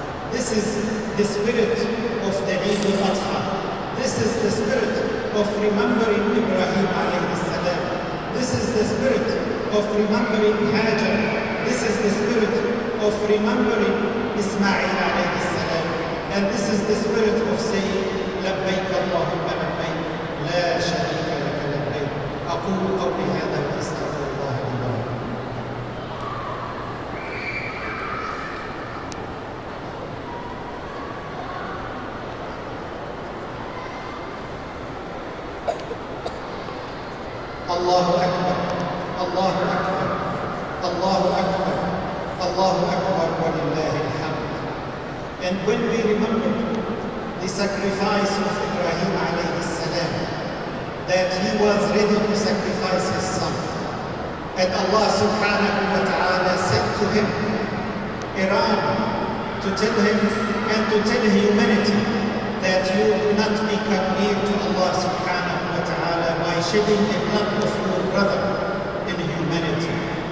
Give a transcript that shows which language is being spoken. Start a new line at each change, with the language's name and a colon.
English: This is the spirit of the Eid al Adha. This is the spirit of remembering Ibrahim alayhi salam. This is the spirit of remembering Hajar. This is the spirit of remembering Ismail alayhi salam. And this is the spirit of saying,
Arabic: لبيك اللهم لبيك لا شريك لك لبيك. أقول قولي هذا وأستغفر الله لي ولكم. الله أكبر، الله أكبر، الله أكبر، الله أكبر ولله الحمد.
English: And when we remember the sacrifice of Ibrahim alayhi salam, that he was ready to sacrifice his son. And Allah subhanahu wa ta'ala said to him, Iran, to tell him and to tell humanity that you will not be come near to Allah subhanahu wa ta'ala by shedding the blood of your brother in humanity.